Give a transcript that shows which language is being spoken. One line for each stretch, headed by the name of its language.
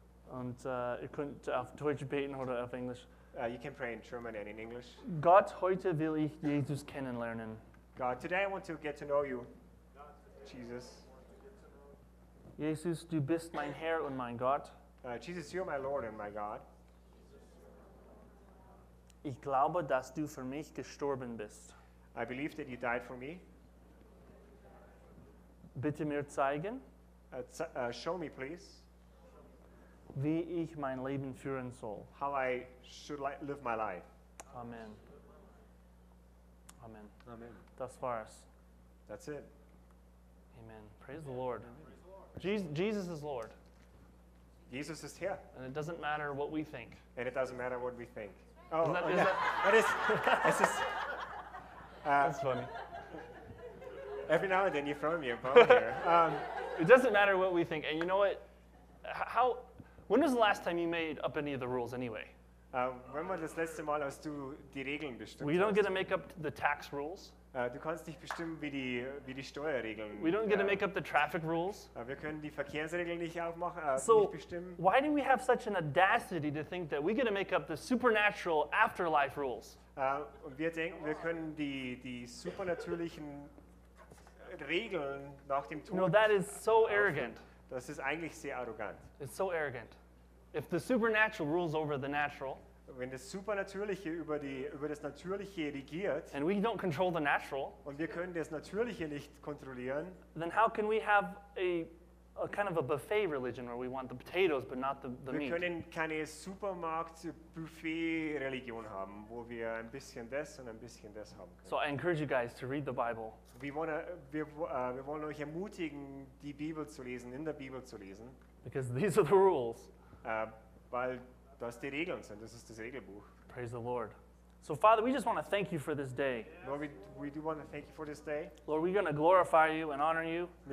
German: Und ihr könnt auf Deutsch beten oder auf Englisch.
English: You can pray in German and in English.
German: Gott, heute will ich Jesus kennenlernen.
English: God, today I want to get to know you, Jesus.
German: Jesus, du bist mein Herr und mein Gott.
English: Jesus, you are my Lord and my God.
German: Ich glaube, dass du für mich gestorben bist.
English: I believe that you died for me.
German: Bitte mir zeigen.
English: Show me, please.
German: Wie ich mein Leben führen soll.
English: How I should live my life. Amen. Amen. Amen.
German: Das war's.
English: That's it. Amen. Praise the Lord. Jesus is Lord. Jesus is here. And it doesn't matter what we think. And it doesn't matter what we think. Oh, that's that's funny. Every now and then you throw me a bone here. It doesn't matter what we think. And you know what? When was the last time you made up any of the rules anyway?
German: Wenn man das letzte Mal aus du die Regeln bestimmt.
English: We don't get to make up the tax rules.
German: Du kannst nicht bestimmen, wie die Steuerregeln.
English: We don't get to make up the traffic rules.
German: Wir können die Verkehrsregeln nicht aufmachen, so nicht bestimmen.
English: So why do we have such an audacity to think that we get to make up the supernatural afterlife rules?
German: Wir denken, wir können die supernatürlichen Regeln nach dem Tod.
English: No, that is so arrogant.
German: Das ist eigentlich sehr arrogant.
English: It's so arrogant. If the supernatural rules over the natural,
German: wenn das Supernatürliche über das Natürliche regiert,
English: and we don't control the natural,
German: und wir können das Natürliche nicht kontrollieren,
English: then how can we have a a kind of a buffet religion where we want the potatoes but not the
German: wir
English: meat.
German: Wir können keine Supermarkt-Buffet-Religion haben, wo wir ein bisschen das und ein bisschen das haben können.
English: So I encourage you guys to read the Bible.
German: Wir wollen euch ermutigen, die Bibel zu lesen, in der Bibel zu lesen.
English: Because these are the rules.
German: Weil das die Regeln sind, das ist das Regelbuch.
English: Praise the Lord. So Father, we just want to thank you for this day. Lord, we do want to thank you for this day. Lord, we're going to glorify you and honor you.